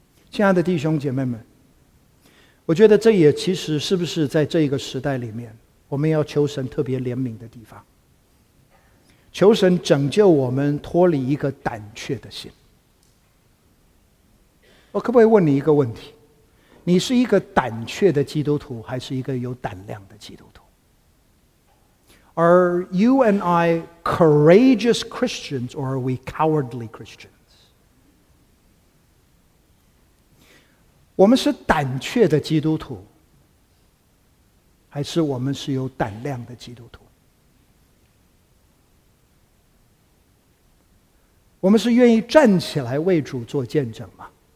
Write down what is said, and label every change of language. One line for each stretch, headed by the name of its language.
Chinese: 亲爱的弟兄姐妹们，我觉得这也其实是不是在这个时代里面我们要求神特别怜悯的地方，求神拯救我们脱离一个胆怯的心。我可不可以问你一个问题，你是一个胆怯的基督徒还是一个有胆量的基督徒？
English: Are you and I courageous Christians or are we cowardly Christians?
Chinese: 我们是胆怯的基督徒还是我们是有胆量的基督徒？我们是愿意站起来为主做见证吗？